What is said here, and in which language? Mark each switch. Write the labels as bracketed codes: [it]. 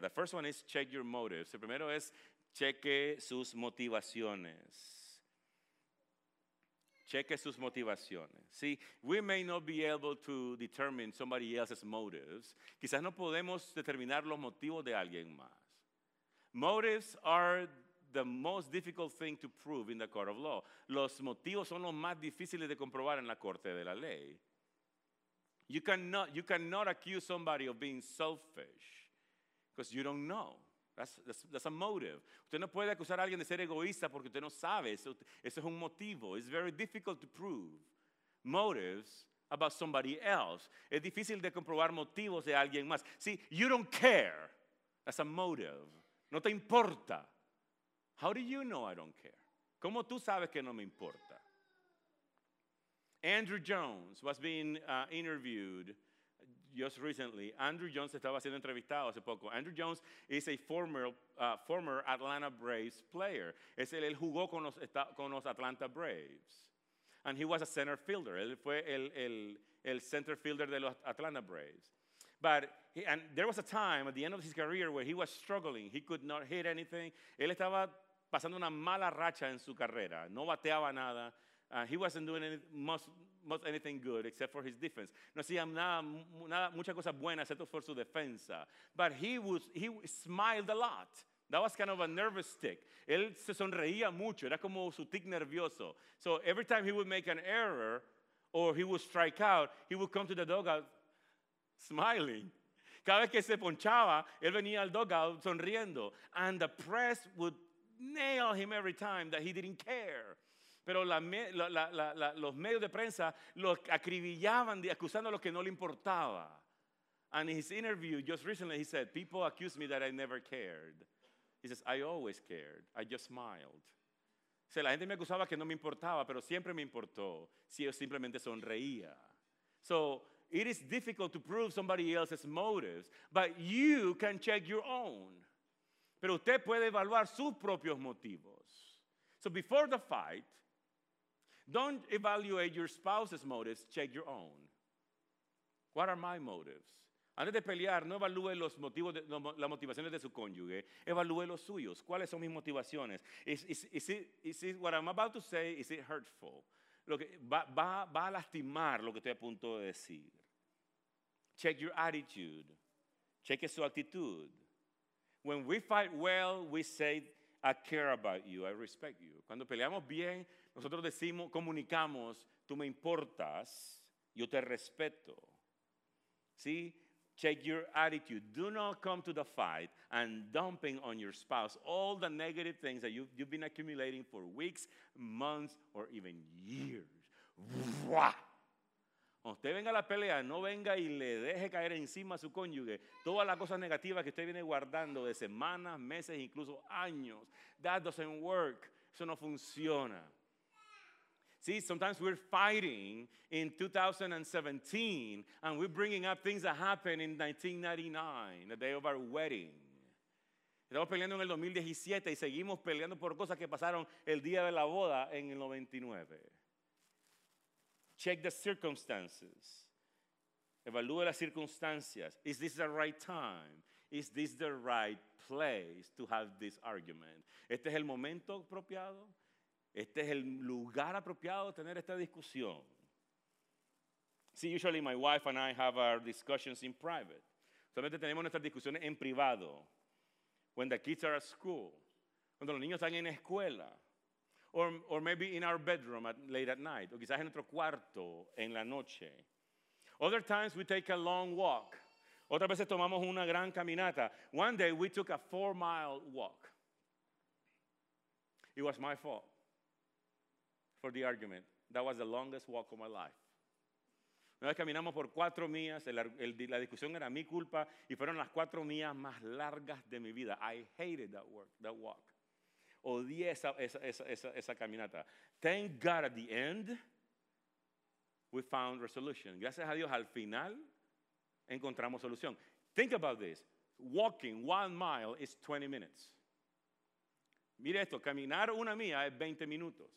[en] The first one is check your motives. [es] El primero es cheque sus motivaciones. Cheque sus motivaciones. [en] See, we may not be able to determine somebody else's motives. [es] Quizás no podemos determinar los motivos de alguien más. [en] Motives are the most difficult thing to prove in the court of law. [es] Los motivos son los más difíciles de comprobar en la corte de la ley. [en] You cannot accuse somebody of being selfish. Because you don't know. That's a motive. [es] Usted no puede acusar a alguien de ser egoísta porque usted no sabe. Eso es un motivo. [en] It's very difficult to prove motives about somebody else. [es] Es difícil de comprobar motivos de alguien más. [en] See, you don't care. That's a motive. [es] No te importa. [en] How do you know I don't care? [es] ¿Cómo tú sabes que no me importa? [en] Andrew Jones was being interviewed just recently. [es] Andrew Jones estaba siendo entrevistado hace poco. [en] Andrew Jones is a former Atlanta Braves player. [es] Es él jugó con los Atlanta Braves. [en] And he was a center fielder. [es] Él fue el center fielder de los Atlanta Braves. [en] And there was a time at the end of his career where he was struggling. He could not hit anything. [es] Él estaba pasando una mala racha en su carrera. No bateaba nada. [en] He wasn't doing much anything good except for his defense. [es] No hacía nada, muchas cosas buenas excepto por su defensa. [en] But he smiled a lot. That was kind of a nervous tick. [es] Él se sonreía mucho. Era como su tic nervioso. [en] So every time he would make an error or he would strike out, he would come to the dugout smiling. [es] Cada vez que se ponchaba, él venía al dugout sonriendo. [en] And the press would nail him every time that he didn't care. [es] Pero los medios de prensa lo acribillaban, acusando a lo que no le importaba. [en] And in his interview just recently, he said, "People accuse me that I never cared." He says, "I always cared. I just smiled." [es] O sea, la gente me acusaba que no me importaba, pero siempre me importó si yo simplemente sonreía. [en] So it is difficult to prove somebody else's motives, but you can check your own. [es] Pero usted puede evaluar sus propios motivos. [en] So before the fight, don't evaluate your spouse's motives, check your own. What are my motives? [es] Antes de pelear, no evalúe las motivaciones de su cónyuge, evalúe los suyos. ¿Cuáles son mis motivaciones? [en] Is it what I'm about to say, is it hurtful? [es] ¿Va a lastimar lo que estoy a punto de decir? [en] Check your attitude. [es] Cheque su actitud. [en] When we fight well, we say, "I care about you, I respect you." [es] Cuando peleamos bien, nosotros decimos, comunicamos, tú me importas, yo te respeto. [en] See, check your attitude. Do not come to the fight and dumping on your spouse all the negative things that you've been accumulating for weeks, months, or even years. [es] Cuando usted venga a la pelea, no venga y le deje caer encima a su cónyuge todas las cosas negativas que usted viene guardando de semanas, meses, incluso años. [en] That doesn't work. [es] Eso no funciona. [en] See, sometimes we're fighting in 2017 and we're bringing up things that happened in 1999, the day of our wedding. [es] Estamos peleando en el 2017 y seguimos peleando por cosas que pasaron el día de la boda en el 99. [en] Check the circumstances. [es] Evalúe las circunstancias. [en] Is this the right time? Is this the right place to have this argument? [es] ¿Este es el momento apropiado? ¿Este es el lugar apropiado de tener esta discusión? [en] See, usually my wife and I have our discussions in private. [es] Solamente tenemos nuestras discusiones en privado. [en] When the kids are at school. [es] Cuando los niños están en escuela. [en] Or maybe in our bedroom late at night. [es] O quizás en nuestro cuarto en la noche. [en] Other times we take a long walk. [es] Otras veces tomamos una gran caminata. [en] One day we took a 4-mile walk. It was my fault for the argument. That was the longest walk of my life. [es] Una vez caminamos por 4 millas, la discusión era mi culpa y fueron las 4 millas más largas de mi vida. [en] I hated that walk. [es] Odié esa caminata. [en] Thank God at the end, we found resolution. [es] Gracias a Dios, al final, encontramos solución. [en] Think about this. Walking 1 mile is 20 minutes. [es] Mire esto, caminar una milla es 20 minutos.